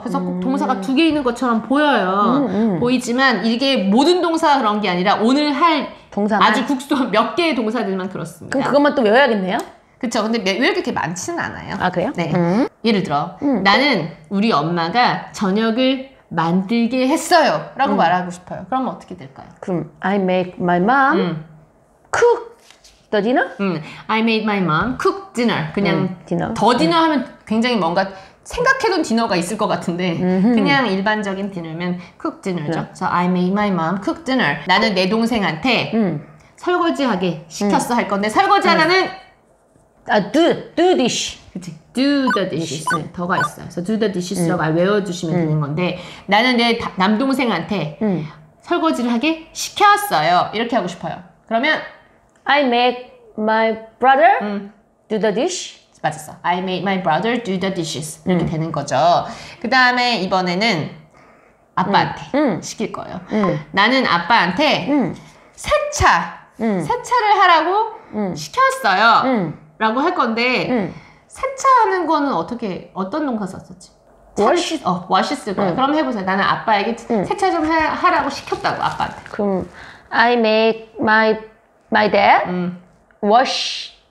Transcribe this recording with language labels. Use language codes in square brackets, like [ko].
[ko] 그래서 꼭 동사가 두 개 있는 것처럼 보여요. 보이지만 이게 모든 동사 그런 게 아니라 오늘 할 동사만? 아주 국소한 몇 개의 동사들만 그렇습니다. 그럼 그것만 또 외워야겠네요? 그렇죠. 근데 왜 이렇게 많지는 않아요. 아, 그래요? 네. 예를 들어 나는 우리 엄마가 저녁을 만들게 했어요 라고 말하고 싶어요. 그러면 어떻게 될까요? [en] 그럼 I make my mom cook the dinner? I made my mom cook dinner. [ko] 그냥 [en] dinner. [ko] 더 dinner 하면 굉장히 뭔가 생각해둔 디너가 있을 것 같은데 그냥 일반적인 디너면 cook dinner죠. [en] 네. So I made my mom cook dinner. [ko] 나는 내 동생한테 설거지하게 시켰어 할 건데 설거지 하나는 [en] 아, do dish. [ko] 그치. [en] Do the dishes. [ko] 네, 더가 있어요. [en] So do the dishes [ko] 라고 외워주시면 되는 건데 나는 내 남동생한테 설거지를 하게 시켰어요. 이렇게 하고 싶어요. 그러면 [en] I make my brother do the dish. [ko] 맞았어. [en] I made my brother do the dishes. [ko] 이렇게 되는 거죠. 그 다음에 이번에는 아빠한테 시킬 거예요. 나는 아빠한테 세차, 세차를 하라고 시켰어요. 라고 할 건데 세차하는 거는 어떻게, 어떤 동사 썼었지? [en] wash. [ko] 어, wash 쓸 거예요. 그럼 해보세요. 나는 아빠에게 세차 좀 하라고 시켰다고, 아빠한테. [en] 그럼 I make my dad wash.